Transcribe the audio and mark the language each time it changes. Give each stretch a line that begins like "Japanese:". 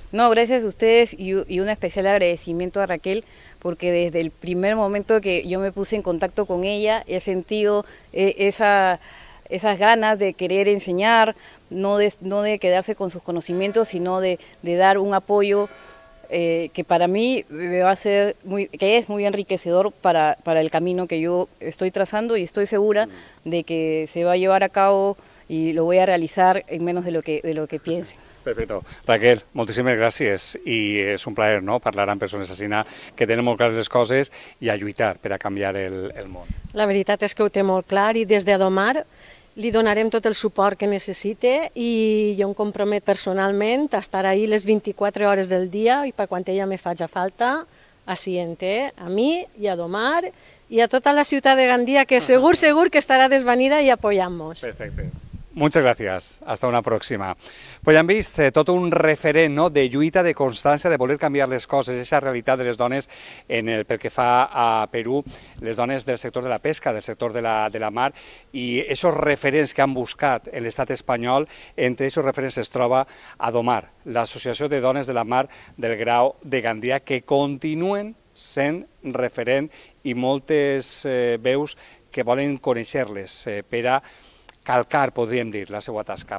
Spanish: No, gracias a ustedes, y un especial agradecimiento a Raquel, porque desde el primer momento que yo me puse en contacto con ella, he sentido esas ganas de querer enseñar, no de quedarse con sus conocimientos, sino de dar un apoyo que para mí me va a ser que es muy enriquecedor para el camino que yo estoy trazando, y estoy segura de que se va a llevar a cabo y lo voy a realizar en menos de lo que piense. Perfecto.
Catalan: Raquel, moltíssimes gràcies, i és un plaer, no?, parlar amb persones així, que tenen molt clares les coses, i a lluitar per a canviar el món. La veritat és que ho té molt clar, i des d'Adomar li donarem tot el suport que necessite, i jo em compromet personalment a estar ahí les 24 hores del dia, i per quan ella me faci falta, a Siente, a mi i a Adomar, i a tota la ciutat de Gandia, que segur, segur que estarà desvanida i apoyant-nos. Perfecte.
Spanish: Muchas gracias, hasta una próxima.
Catalan: Pues ya han visto, todo un referent, ¿no?, de lluita, de constancia, de voler canviar les coses, esa realitat de les dones en el pel que fa a Perú, les dones del sector de la pesca, del sector de la mar, i esos referents que han buscat l'estat espanyol, entre esos referents es troba Adomar, l'Associació de Dones de la Mar del Grau de Gandia, que continuen sent referent, i moltes veus que volen conèixer-les per a calcar, podríem dir, la seva tasca.